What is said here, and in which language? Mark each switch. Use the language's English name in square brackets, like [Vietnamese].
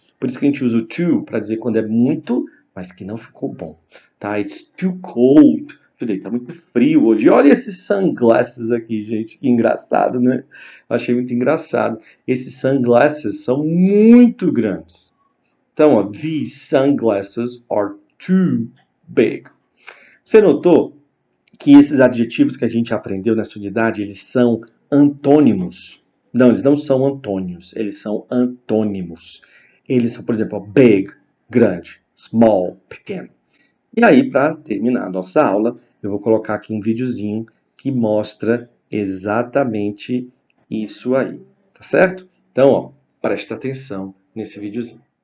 [Portuguese] Por isso que a gente usa o too para dizer quando é muito, mas que não ficou bom, tá? [English] It's too cold today. [Portuguese] Tá muito frio hoje. Olha esses sunglasses aqui, gente. Que engraçado, né? Achei muito engraçado. Esses sunglasses são muito grandes. Então, ó, [English] these sunglasses are too big. [Portuguese] Você notou que esses adjetivos que a gente aprendeu nessa unidade, eles são antônimos? Não, eles não são antônimos. Eles são antônimos. Eles são, por exemplo, big, grande. Small, pequeno. E aí, para terminar a nossa aula, eu vou colocar aqui um videozinho que mostra exatamente isso aí. Tá certo? Então, ó, presta atenção nesse videozinho.